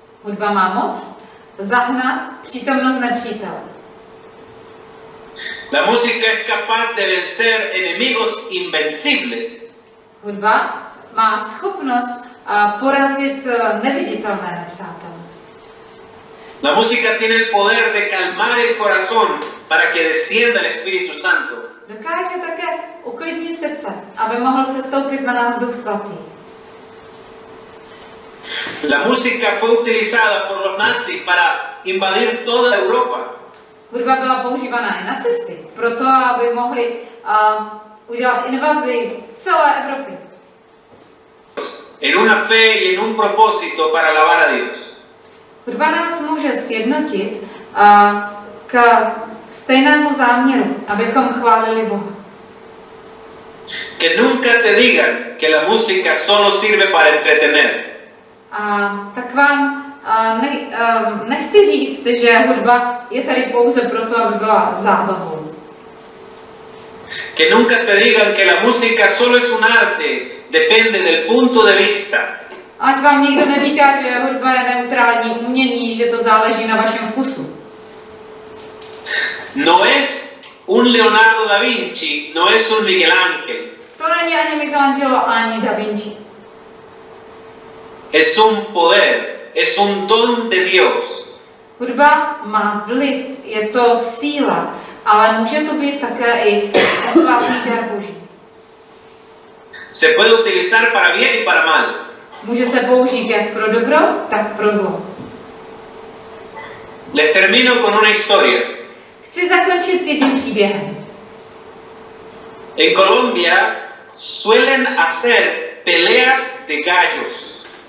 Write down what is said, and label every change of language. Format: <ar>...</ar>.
<cs>Hudba má moc zahnat přítomnost nepřítele.</cs> <es>La música es capaz de vencer enemigos invencibles.</es> <cs>Hudba má schopnost porazit neviditelné nepřátele.</cs> <es>La música tiene el poder de calmar el corazón para que descienda el Espíritu Santo.</es> <cs>Dokáže také uklidnit srdce, aby mohl sestoupit na nás Duch Svatý.</cs> <es>La música fue utilizada por los nazis para invadir toda Europa.</es> <cs>Hudba byla používaná i nacisty, proto aby mohli udělat invazi celé Evropy.</cs> <es>En una fe y en un propósito para alabar a Dios.</es> <cs>Hudba nás může sjednotit k stejnému záměru, abychom chválili Boha.</cs> <es>Que nunca te digan que la música solo sirve para entretener.</es> <cs>A tak vám nechci říct, že hudba je tady pouze proto, aby byla zábavou.</cs> <es>Que nunca te digan que la música solo es un arte, depende del punto de vista.</es> <cs>Ať vám nikdo neříká, že hudba je neutrální umění, že to záleží na vašem vkusu.</cs> <es>No es un Leonardo da Vinci, no es un Miguel Ángel.</es> <cs>To není ani Michelangelo, ani da Vinci.</cs> <es>Es un poder, es un don de Dios.</es> <cs>Hudba má vliv, je to síla, ale může to být také i svátý dar Boží.</cs> <es>Se puede utilizar para bien y para mal.</es> <cs>Může se použít jak pro dobro, tak pro zlo.</cs> <es>Les termino con una historia.</es> <cs>Chci zakončit s jedním příběhem.</cs> <es>En Colombia suelen hacer peleas de gallos.</es>